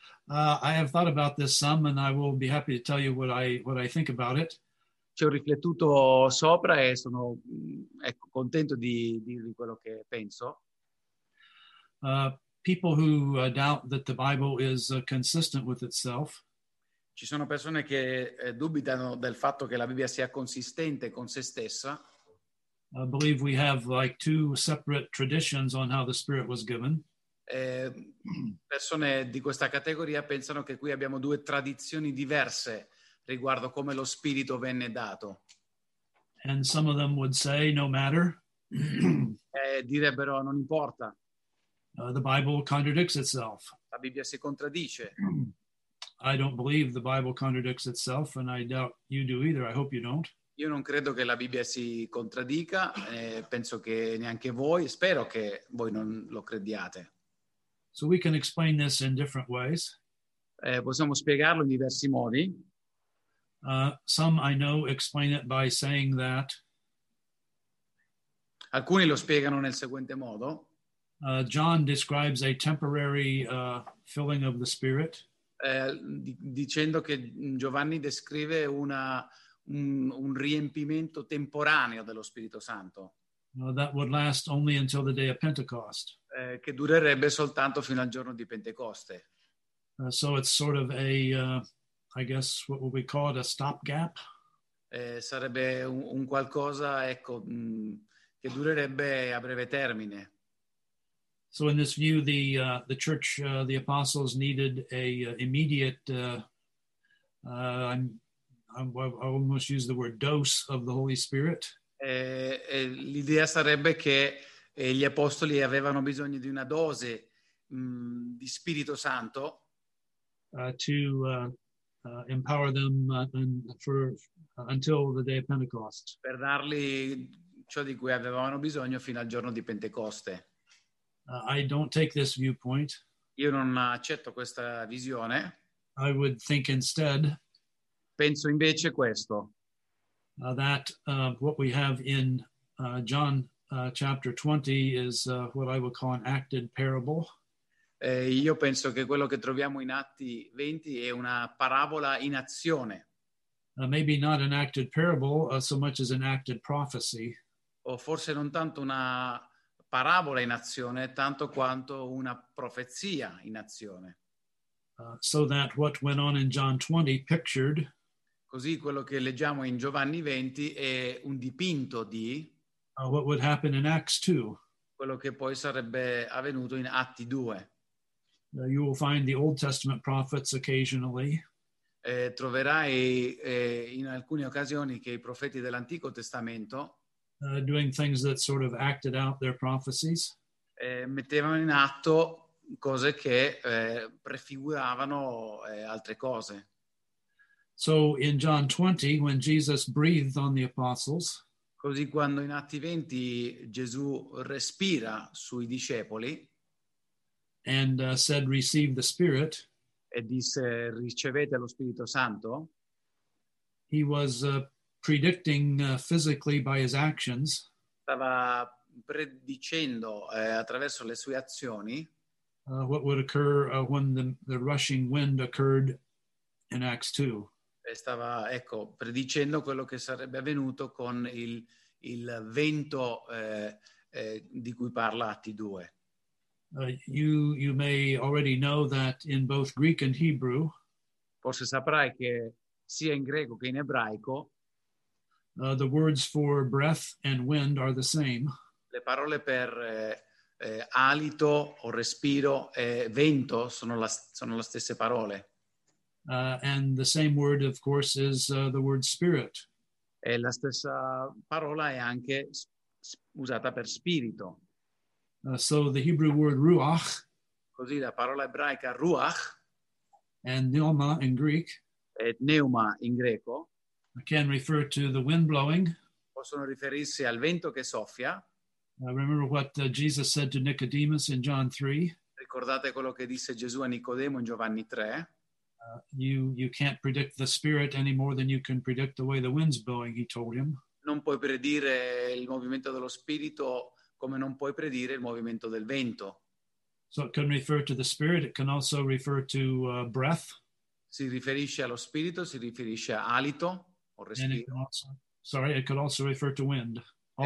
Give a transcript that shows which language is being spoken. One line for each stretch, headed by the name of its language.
English: I have thought about this some, and I will be happy to tell you what I think about it.
Italian: Ci ho riflettuto sopra e sono contento di dirvi quello che penso.
English: People who doubt that the Bible is consistent with itself.
Italian: Ci sono persone che dubitano del fatto che la Bibbia sia consistente con se stessa.
English: I believe we have like two separate traditions on how the Spirit was given.
Italian: Persone di questa categoria pensano che qui abbiamo due tradizioni diverse riguardo come lo Spirito venne dato.
English: And some of them would say no matter.
Italian: Direbbero non importa.
English: The Bible contradicts itself.
Italian: La Bibbia si contraddice.
English: I don't believe the Bible contradicts itself, and I doubt you do either. I hope you don't.
Italian: Io non credo che la Bibbia si contraddica, penso che neanche voi, spero che voi non lo crediate.
English: So we can explain this in different ways.
Italian: Possiamo spiegarlo in diversi modi.
English: Some I know explain it by saying that.
Italian: Alcuni lo spiegano nel seguente modo.
English: John describes a temporary filling of the Spirit.
Italian: Dicendo che Giovanni descrive un riempimento temporaneo dello Spirito Santo.
English: That would last only until the day of Pentecost.
Italian: Che durerebbe soltanto fino al giorno di Pentecoste.
English: So it's sort of a, I guess, what would we call it, a stopgap?
Italian: Sarebbe un qualcosa, che durerebbe a breve termine.
English: So in this view, the church, the apostles needed a immediate, I almost use the word dose of the Holy Spirit.
Italian: L'idea sarebbe che gli apostoli avevano bisogno di una dose di Spirito Santo.
English: To empower them until the day of Pentecost.
Italian: Per dargli ciò di cui avevano bisogno fino al giorno di Pentecoste.
English: I don't take this viewpoint.
Italian: Io non accetto questa visione.
English: I would think instead.
Italian: Penso invece questo.
English: That what we have in John chapter 20 is what I would call an acted parable.
Italian: Io penso che quello che troviamo in Atti 20 è una parabola in azione.
English: Maybe not an acted parable so much as an acted prophecy.
Italian: O forse non tanto una parabola in azione tanto quanto una profezia in azione.
English: So that what went on in John 20 pictured.
Italian: Così quello che leggiamo in Giovanni 20 è un dipinto di
English: what would happen in Acts 2.
Italian: Quello che poi sarebbe avvenuto in Atti 2.
English: You will find the Old Testament prophets occasionally.
Italian: Troverai in alcune occasioni che i profeti dell'Antico Testamento
English: doing things that sort of acted out their prophecies.
Italian: Mettevano in atto cose che prefiguravano altre cose.
English: So in John 20, when Jesus breathed on the apostles,
Italian: così quando in Atti 20 Gesù respira sui discepoli,
English: and said, "Receive the Spirit."
Italian: E disse, ricevete lo Spirito Santo.
English: He was predicting physically by his actions.
Italian: Stava predicendo attraverso le sue azioni.
English: What would occur when the rushing wind occurred in Acts 2.
Italian: E stava, ecco, predicendo quello che sarebbe avvenuto con il vento di cui parla Atti 2.
English: You may already know that in both Greek and Hebrew,
Italian: forse saprai che sia in greco che in ebraico,
English: the words for breath and wind are the same.
Italian: Le parole per alito o respiro e vento sono le stesse parole.
English: And the same word, of course, is the word spirit.
Italian: E la stessa parola è anche usata per spirito.
English: So the Hebrew word ruach,
Italian: così la parola ebraica ruach,
English: and pneuma in Greek,
Italian: et pneuma in greco,
English: can refer to the wind blowing.
Italian: Possono riferirsi al vento che soffia.
English: Remember what Jesus said to Nicodemus in John 3.
Italian: Ricordate quello che disse Gesù a Nicodemo in Giovanni 3.
English: You can't predict the spirit any more than you can predict the way the wind's blowing, he told him.
Italian: Non puoi predire il movimento dello spirito come non puoi predire il movimento del vento.
English: So it can refer to the spirit, it can also refer to breath.
Italian: Si riferisce allo spirito, si riferisce a alito o respiro.
English: It can also, sorry, it could also refer to wind, all